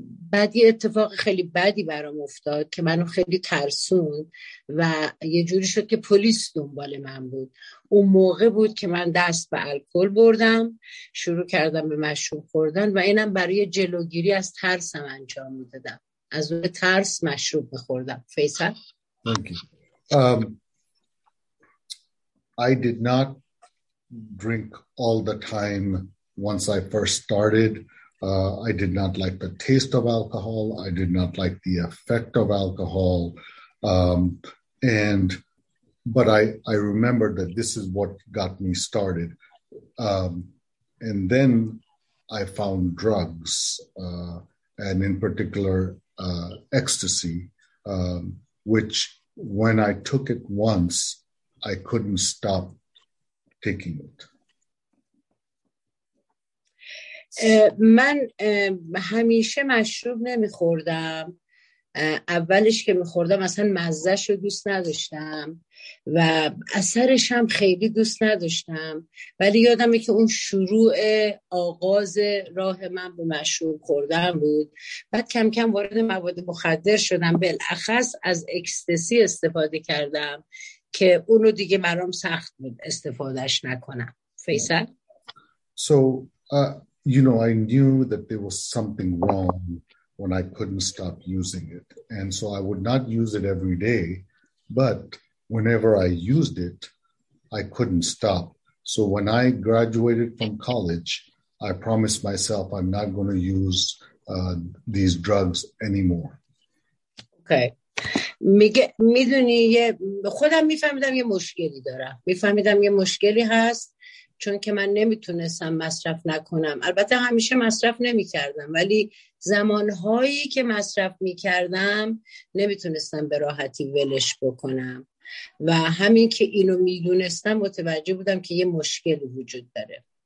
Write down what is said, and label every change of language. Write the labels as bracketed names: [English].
[Persian] بعد یه اتفاق خیلی بدی برام افتاد که منو خیلی ترسون و یه جوری شد که پلیس دنبال من بود. اون موقع بود که من دست به الکل بردم، شروع کردم به مشروب خوردن و اینم برای جلوگیری از ترسم انجام میدادم، از اون ترس مشروب بخوردم. فیصل؟ [English] I did not drink all the time once I first started. I did not like the taste of alcohol. I did not like the effect of alcohol. But I remember that this is what got me started. And then I found drugs, and in particular, ecstasy, which when I took it once, I couldn't stop taking it. [Persian] من همیشه مشروب نمیخوردم. اولش که میخوردم اصلا مزهش رو دوست نداشتم و اثرش هم خیلی دوست نداشتم، ولی یادمه که اون شروع آغاز راه من به مشروب خوردن بود. بعد کم کم وارد مواد مخدر شدم، بالاخص از اکستسی استفاده کردم که اونو دیگه برام سخت بود استفادهش نکنم. فیصل؟ [English] You know, I knew that there was something wrong when I couldn't stop using it. And so I would not use it every day, but whenever I used it, I couldn't stop. So when I graduated from college, I promised myself I'm not going to use these drugs anymore. Okay. [Persian] میگه میدونی خودم میفهمیدم یه مشکلی دارم، میفهمیدم یه مشکلی هست چون که من نمیتونستم مصرف نکنم. البته همیشه مصرف نمیکردم، ولی زمانهایی که مصرف میکردم نمیتونستم به راحتی ولش بکنم، و همین که اینو میدونستم متوجه بودم که یه مشکلی وجود داره.